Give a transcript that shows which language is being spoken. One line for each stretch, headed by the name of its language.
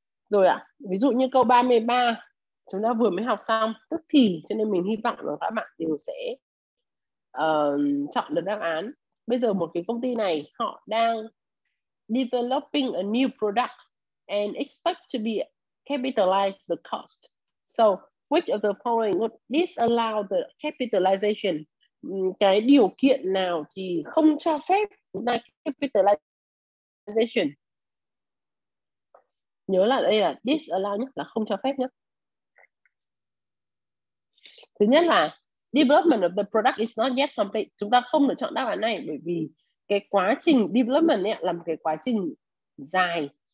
Vietnamese: Rồi ạ, ví dụ như câu 33 chúng ta vừa mới học xong tức thì, cho nên mình hy vọng là các bạn đều sẽ chọn được đáp án. Bây giờ một cái công ty này họ đang
English: developing a new product and expect to be capitalize the cost. So, which of the following would disallow the capitalization?
Vietnamese: Cái điều kiện nào thì không cho phép chúng ta capitalization? Nhớ là đây là disallow nhé, là không cho phép nhé. Thứ nhất là
English: development of the product is not yet complete.
Vietnamese: Chúng ta không được chọn đáp án này bởi vì cái quá trình development ấy là một cái quá trình dài.